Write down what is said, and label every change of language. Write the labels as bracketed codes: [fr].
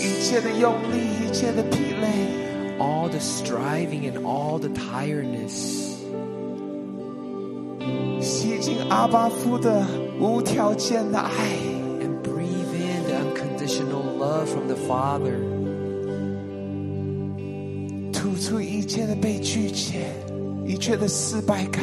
[zh] 一切的用力一切的疲累 [en] All the striving and all the tiredness [zh] 吸进阿爸父的无条件的爱 [en] And breathe in the unconditional love from the Father [zh] 出一切的被拒绝，一切的失败感。